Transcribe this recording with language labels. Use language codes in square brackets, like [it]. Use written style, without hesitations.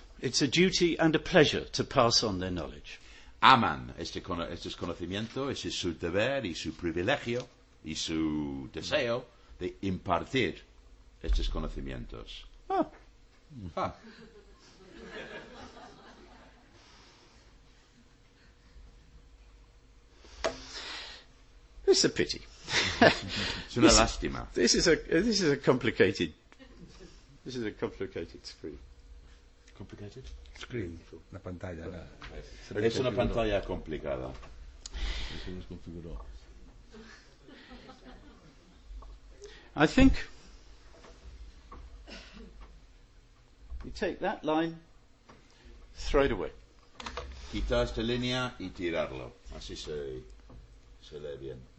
[en] It's a duty and a pleasure to pass on their knowledge. [es] Aman este conocimiento, ese es su deber y su privilegio y su deseo de impartir estos conocimientos. Ah. [en] It's a pity. [es] Es una lástima. [en] This is a complicated screen. Complicated? [es] Screen, una pantalla. Es una pantalla complicada. [en] I think you take that line, throw it away. [es] Quita esta línea y tirarlo. Así se lee bien.